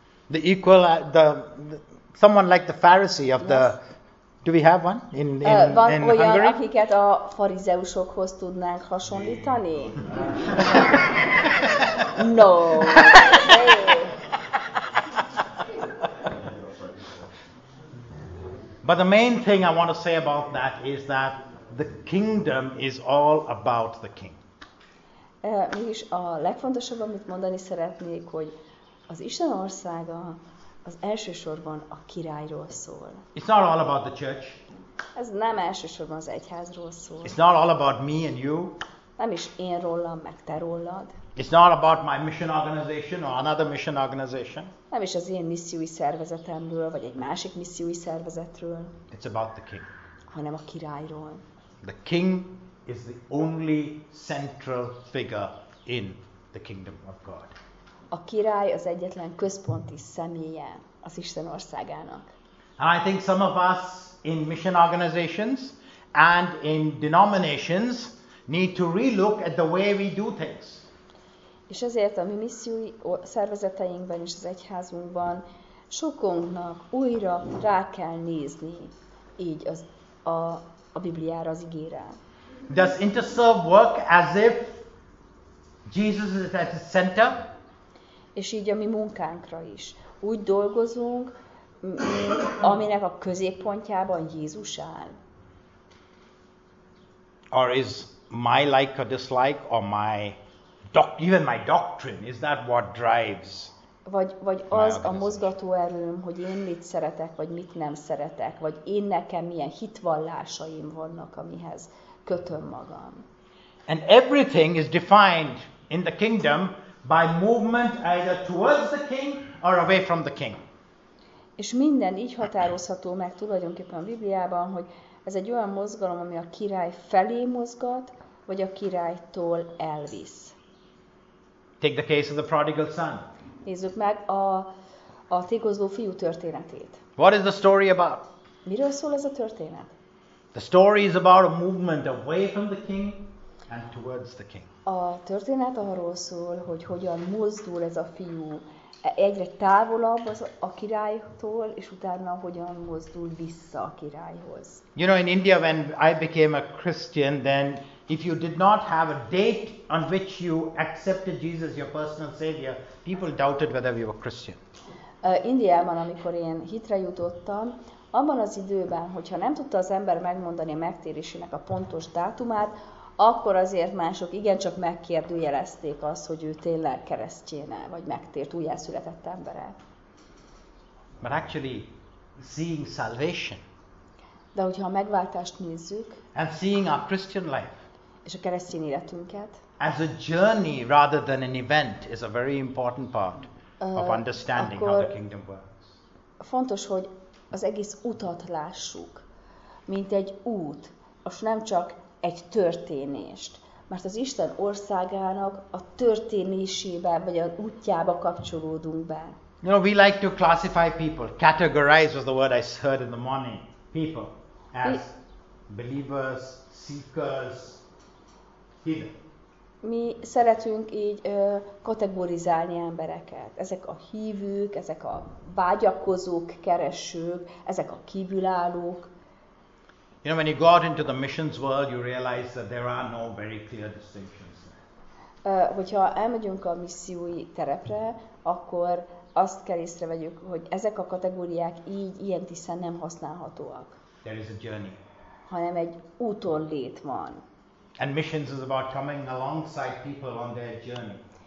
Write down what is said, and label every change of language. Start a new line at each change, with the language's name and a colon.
English: The equal, someone like the Pharisee of the, yes. Do we have one in Hungary?
Hungarian: Van olyan, akiket a farizeusokhoz tudnánk hasonlítani?
English: No. But the main thing I want to say about that is that the kingdom is all about the king.
Hungarian: Mégis a legfontosabb, amit mondani szeretnék, hogy az Isten országa az elsősorban a királyról szól.
English: It's not all about the church.
Hungarian: Ez nem elsősorban az egyházról szól.
English: It's not all about me and you.
Hungarian: Nem is én rólam, meg te rólad.
English: It's not about my mission organization or another mission organization.
Hungarian: Nem is az én missziói szervezetemről, vagy egy másik missziói szervezetről.
English: It's about the king.
Hungarian: Hanem a királyról.
English: The king is the only central figure in the kingdom of God.
Hungarian: A király az egyetlen központi személye az Isten országának.
English: And I think some of us in mission organizations and in denominations need to relook at the way we do things.
Hungarian: És ezért a mi missziói szervezeteinkben és az egyházunkban sokunknak újra rá kell nézni így az a Bibliára, az igére.
English: Does Interserve work as if Jesus is at the center?
Hungarian: És így a mi munkánkra is. Úgy dolgozunk, aminek a középpontjában Jézus áll.
English: Or is my like or dislike, or my even my doctrine, is that what drives?
Hungarian: Vagy az a mozgatóerőm, hogy én mit szeretek, vagy mit nem szeretek, vagy én nekem milyen hitvallásaim vannak, amihez kötöm magam.
English: And everything is defined in the kingdom by movement either towards the king or away from the king.
Hungarian: És minden így határozható meg tulajdonképpen a Bibliában, hogy ez egy olyan mozgalom, ami a király felé mozgat, vagy a királytól elvisz.
English: Take the case of the prodigal son.
Hungarian: Nézzük meg a tékozló fiú történetét.
English: What is the story about?
Hungarian: Miről szól ez a történet?
English: The story is about a movement away from the king and towards the king.
Hungarian: A történet arról szól, hogy hogyan mozdul ez a fiú egyre távolabb a királytól, és utána hogyan mozdul vissza a királyhoz.
English: You know, in India, when I became a Christian, then if you did not have a date on which you accepted Jesus, your personal savior, people doubted whether you were Christian.
Hungarian: Indiában, amikor én hitre jutottam, abban az időben, hogyha nem tudta az ember megmondani a megtérésének a pontos dátumát, akkor azért mások igencsak megkérdőjelezték azt, hogy ő tényleg keresztjén-e, vagy megtért, újjászületett embere.
English: But actually, seeing salvation,
Hungarian: de hogyha a megváltást nézzük,
English: and seeing our Christian life,
Hungarian: és a keresztény életünket,
English: as a journey rather than an event is a very important part of understanding how the kingdom works.
Hungarian: Fontos, hogy az egész utat lássuk, mint egy út, és nem csak egy történést. Mert az Isten országának a történésébe, vagy az útjába kapcsolódunk be.
English: You know, we like to classify people. Categorize was the word I heard in the morning. People as believers, seekers, heathen.
Hungarian: Mi szeretünk így kategorizálni embereket. Ezek a hívők, ezek a vágyakozók, keresők, ezek a kívülállók.
English: You know, when you go out into the missions world, you realize that there are no very clear distinctions.
Hungarian: Hogyha elmegyünk a missziói terepre, akkor azt kell észrevegyük, hogy ezek a kategóriák így ilyen tisztán nem használhatóak.
English: There is a journey.
Hungarian: Hanem egy úton lét van.
English: And missions is about coming alongside people on their journey.